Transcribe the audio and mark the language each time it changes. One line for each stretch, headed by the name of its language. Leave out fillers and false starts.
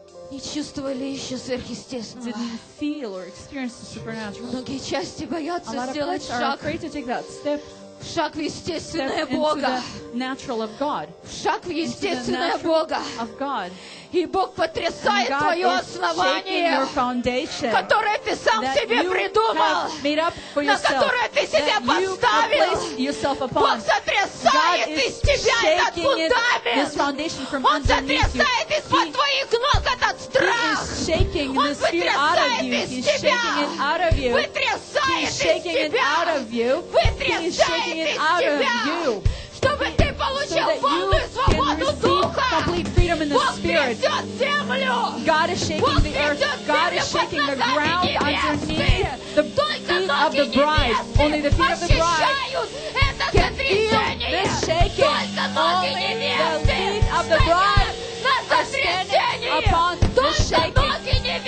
Russian: не чувствовали еще сверхъестественного,
English: didn't feel or experience the supernatural.
Russian: Многие части боятся,
English: a lot of parts are afraid to take that step.
Russian: Шаг в естественное Бога.
English: Natural of God.
Russian: Шаг в естественное Бога.
English: Of God.
Russian: И Бог потрясает твое основание, которое ты сам себе придумал, на которое ты себя поставил. Бог сотрясает из тебя этот фундамент. Он сотрясает из-под твоих ног этот страх. Он вытрясает из тебя. Чтобы ты получил полную свободу духа.
English: In the
Russian: Бог
English: spirit. God is shaking the earth. God is shaking the ground underneath the feet of the bride. Only the feet of the bride can feel this shaking. Only the feet of the bride are standing upon the shaking.